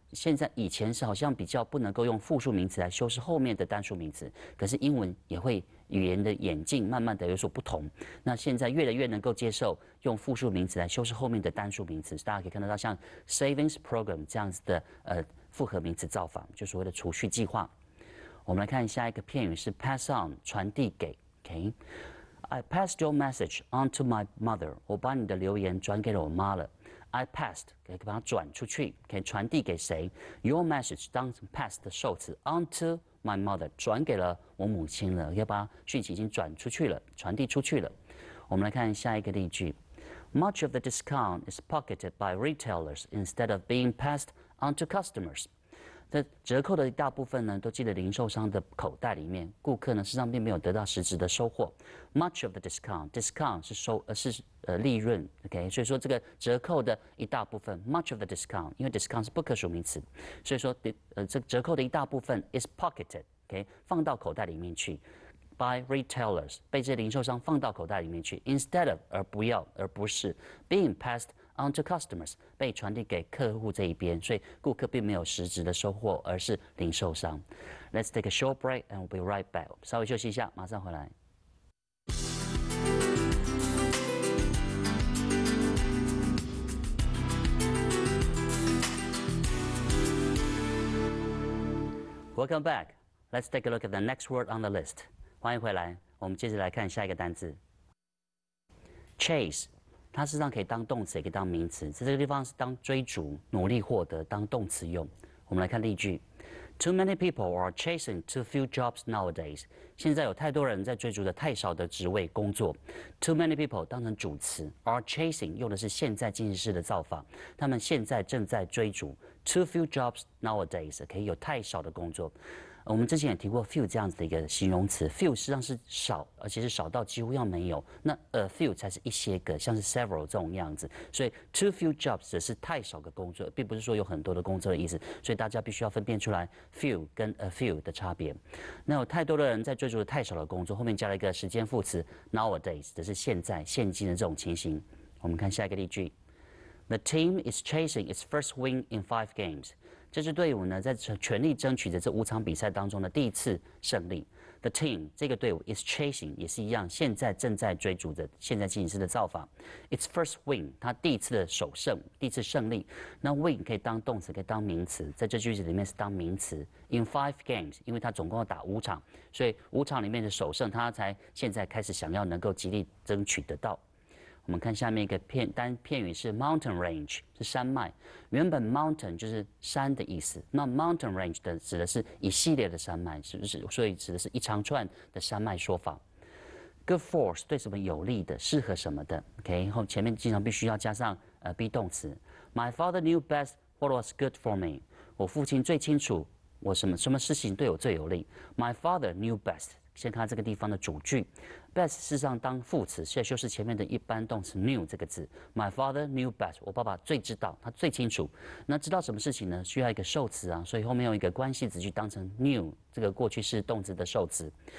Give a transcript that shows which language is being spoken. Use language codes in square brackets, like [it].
[zh] 现在以前是好像比较不能够用复数名词来修饰后面的单数名词，可是英文也会语言的演进慢慢的有所不同，那现在越来越能够接受用复数名词来修饰后面的单数名词，大家可以看得到像 savings program 这样子的复合名词造法，就所谓的储蓄计划。我们来看下一个片语是 pass on 传递给 OK。 [en] I passed your message on to my mother. [zh] 我把你的留言转给了我妈了。 [en] I passed [zh] 可以把它转出去，可以传递给谁 ？ [en] Your message [zh] 当成 pass 的受词 ， [en] on to my mother [zh] 转给了我母亲了，要把讯息已经转出去了，传递出去了。我们来看下一个例句 [en] much of the discount is pocketed by retailers instead of being passed on to customers. [zh] 在折扣的一大部分呢，都记得零售商的口袋里面，顾客呢实际上并没有得到实质的收获。 [en] Much of the discount [zh] 是收是利润 [en] ，OK？ [zh] 所以说这个折扣的一大部分 ， [en] much of the discount， [zh] 因为 discount 是不可数名词，所以说这折扣的一大部分 [en] is pocketed， [zh] OK， 放到口袋里面去 ， [en] by retailers [zh] 被这些零售商放到口袋里面去 ， [en] instead of [zh] 而不是 [en] being passed。 Onto customers [zh] 被传递给客户这一边，所以顾客并没有实质的收获，而是零售商。 [en] Let's take a short break and we'll be right back. [zh] 稍微休息一下，马上回来。 [en] Welcome back. Let's take a look at the next word on the list. [zh] 欢迎回来，我们接着来看下一个单字。 [en] Chase. [zh] 它实际上可以当动词，也可以当名词。在这个地方是当追逐、努力获得，当动词用。我们来看例句 [en] ：Too many people are chasing too few jobs nowadays. [zh] 现在有太多人在追逐的太少的职位工作。 [en] Too many people [zh] 当成主词 ， [en] are chasing [zh] 用的是现在进行式的造法。他们现在正在追逐 [en] too few jobs nowadays， [zh] 可以有太少的工作。我们之前也提过 few 这样子的一个形容词 ，few 实际上是少，而且是少到几乎要没有。那 a few 才是一些个，像是 several 这种样子。所以 [en] too few jobs [zh] 只是太少个工作，并不是说有很多的工作的意思。所以大家必须要分辨出来 few 跟 a few 的差别。那有太多的人在追逐太少的工作，后面加了一个时间副词 nowadays， 只是现在、现今的这种情形。我们看下一个例句 [en] ：The team is chasing its first win in 5 games. [zh] 这支队伍呢，在全力争取着这5场比赛当中的第一次胜利。 [en] The team [zh] 这个队伍 [en] is chasing [zh] 也是一样，现在正在追逐着现在进行式的造法。 [en] Its first win， [zh] 它第一次的首胜，第一次胜利。那 win 可以当动词，可以当名词，在这句子里面是当名词。 [en] In 5 games， [zh] 因为它总共要打5场，所以5场里面的首胜，它才现在开始想要能够极力争取得到。我们看下面一个片语是 mountain range， 是山脉。原本 mountain 就是山的意思，那 mountain range 的指的是一系列的山脉，是不是？所以指的是一长串的山脉说法。 [en] Good force [zh] 对什么有利的，适合什么的。OK， 后前面经常必须要加上be 动词。 [en] My father knew best what was good for me。 [zh] 我父亲最清楚我什么事情对我最有利。 [en] My father knew best。 [zh] 先看这个地方的主句 ，best 事实上当副词，现在修饰前面的一般动词 knew 这个字。 [en] My father knew best， [zh] 我爸爸最知道，他最清楚。那知道什么事情呢？需要一个受词啊，所以后面用一个关系子句当成 knew 这个过去式动词的受词。